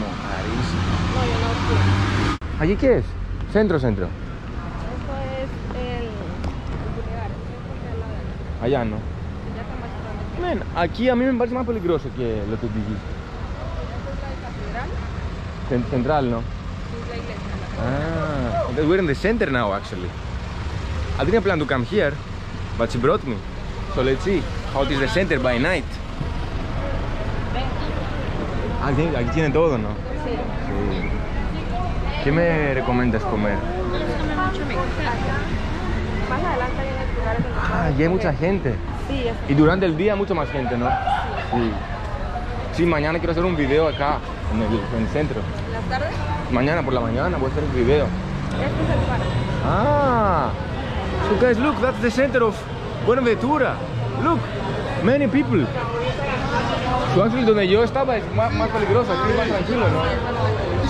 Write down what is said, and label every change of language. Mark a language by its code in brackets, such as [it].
[es] No, yo no fui. ¿Allí qué es? ¿Centro, centro? Eso es el lugar. Allá no. Ya está más grande. Men, aquí a mí me parece más peligroso que lo que dijiste. ¿Es la catedral? Central, ¿no? Es la iglesia. Ah, entonces [en] we're in the center now, actually. I didn't plan to come here, but she brought me. So let's see how it is the center by night. [es] Aquí tiene todo, ¿no? Sí. Sí. ¿Qué me recomiendas comer? Más adelante viene el lugar donde Ah, y hay mucha gente. Sí, es. Y durante el día mucho más gente, ¿no? Sí. Sí, mañana quiero hacer un video acá, en el centro. ¿La tarde? Mañana, por la mañana, voy a hacer un video. Este es el parque. Ah. [en] So guys, look, that's the center of Buenaventura. Look, many people. So actually, [es] donde yo estaba es más peligroso, aquí es más tranquilo, ¿no?